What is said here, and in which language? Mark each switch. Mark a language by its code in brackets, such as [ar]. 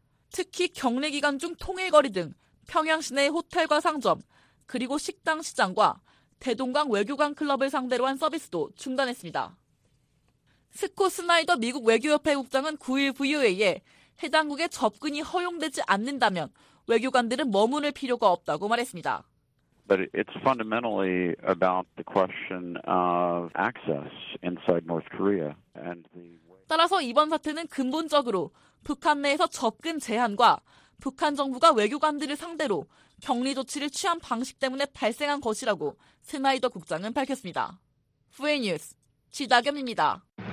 [ko] 특히 격리 기간 중 통일거리 등 평양 시내의 호텔과 상점, 그리고 식당 시장과 대동강 외교관 클럽을 상대로 한 서비스도 중단했습니다. 스콧 스나이더 미국 외교협회 국장은 9일 VOA에 해당국에 접근이 허용되지 않는다면 외교관들은 머무를 필요가 없다고 말했습니다. [en] But it's fundamentally about the question of access inside North Korea and the [ko] 따라서 이번 사태는 근본적으로 북한 내에서 접근 제한과 북한 정부가 외교관들을 상대로 격리 조치를 취한 방식 때문에 발생한 것이라고 스나이더 국장은 밝혔습니다. 후에 뉴스 지다겸입니다.